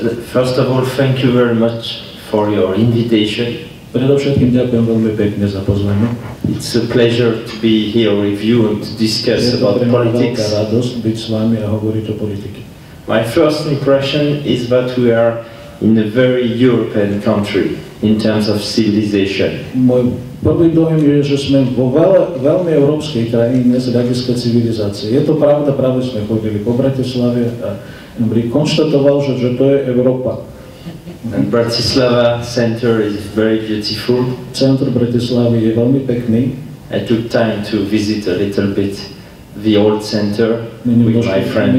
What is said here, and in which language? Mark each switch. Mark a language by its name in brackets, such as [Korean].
[English] First of all, thank you very much for your invitation. [Slovak] Predovšetkým ďakujem veľmi pekne za pozvanie. [English] It's a pleasure to be here with you and to discuss about politics. [Slovak] Je to pre mňa veľká radosť byť s vami a hovoriť o politike. [English] My first impression is that we are in a very European country in terms of civilization. [Slovak] Môj prvý dojem je, že sme vo veľmi európskej krajine z hľadiska civilizácie. Je to pravda, práve sme chodili po Bratislave a Aymeric konštatoval, že to je Európa. [English] And Bratislava center is very beautiful. [Slovak] Centr Bratislavy je veľmi pekný. [English] I took time to visit a little bit the old center with my friend.